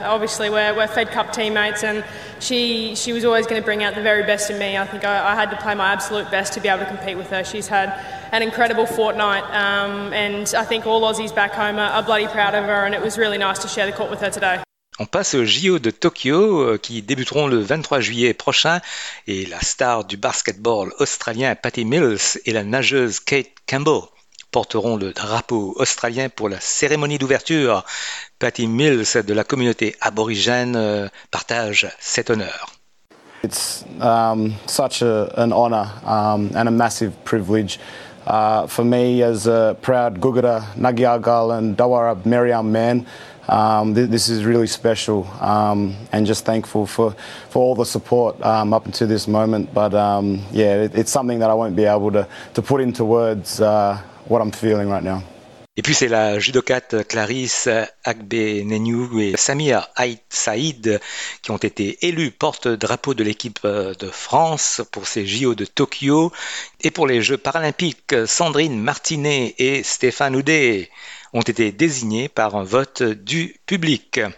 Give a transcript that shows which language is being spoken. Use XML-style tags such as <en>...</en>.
<en>Obviously, we're Fed Cup teammates, and she was always going to bring out the very best in me. I think I had to play my absolute best to be able to compete with her. She's had an incredible fortnight, and I think all Aussies back home are bloody proud of her, and it was really nice to share the court with her today.</en> <fr>On passe aux JO de Tokyo qui débuteront le 23 juillet prochain et la star du basketball australien Patty Mills et la nageuse Kate Campbell porteront le drapeau australien pour la cérémonie d'ouverture. Patty Mills de la communauté aborigène partage cet honneur.</fr> <en>It's such an honor and a massive privilege for me as a proud Guggera, Nagyagal and Dawarab Meriam man. This is really special and just thankful for all the support up until this moment, but it's something that I won't be able to put into words what I'm feeling right now.</en> <fr>Et puis c'est la judokate Clarisse Agbenenyou et Samir Ait Saïd qui ont été élus porte-drapeau de l'équipe de France pour ces JO de Tokyo et pour les Jeux paralympiques. Sandrine Martinet et Stéphane Houdet ont été désignés par un vote du public.</fr>